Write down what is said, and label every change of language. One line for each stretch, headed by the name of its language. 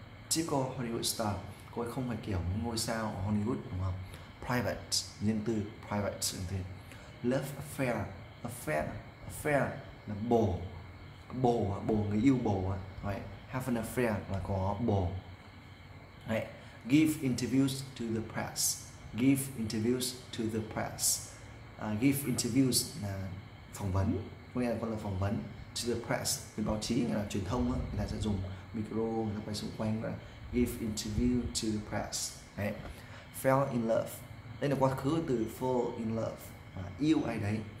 English: Typical Hollywood star.
Vietnamese: Cô ấy không phải kiểu những ngôi sao ở Hollywood, đúng không? Private, riêng tư, private, riêng tư.
English: Love affair, affair, affair
Vietnamese: là bồ, bồ, bồ, người yêu bồ, right?
English: Have an affair
Vietnamese: là có bồ,
English: right? Give interviews to the press, give interviews to the press.
Vietnamese: Give interviews là phỏng vấn, có nghĩa là con là phỏng vấn.
English: To the press,
Vietnamese: với báo chí, là truyền thông, người ta sẽ dùng micro, người ta quay xung quanh, right?
English: Give interview to the press, right? Fell in love,
Vietnamese: đây là quá khứ từ
English: fall in love,
Vietnamese: yêu ai đấy.